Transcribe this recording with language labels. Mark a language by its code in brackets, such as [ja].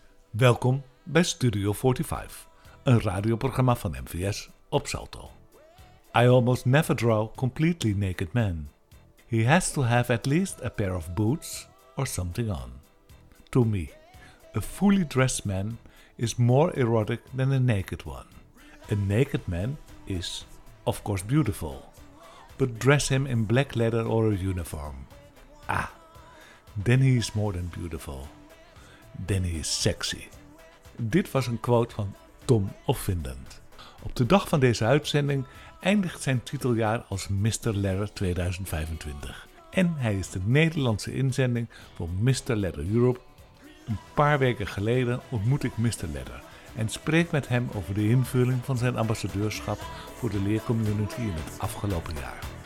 [nl] Welkom bij Studio 45, een radioprogramma van MVS op Salto. [en] I almost never draw completely naked men. He has to have at least a pair of boots or something on. To me, a fully dressed man is more erotic than a naked one. A naked man is, of course, beautiful. But dress him in black leather or a uniform. Ah, then he is more than beautiful. Then he is sexy. [nl] Dit was een quote van Tom Offindend. Op de dag van deze uitzending eindigt zijn titeljaar als Mr. Leather 2025. En hij is de Nederlandse inzending voor Mr. Leather Europe. Een paar weken geleden ontmoet ik Mr. Leather en spreek met hem over de invulling van zijn ambassadeurschap voor de leercommunity in het afgelopen jaar.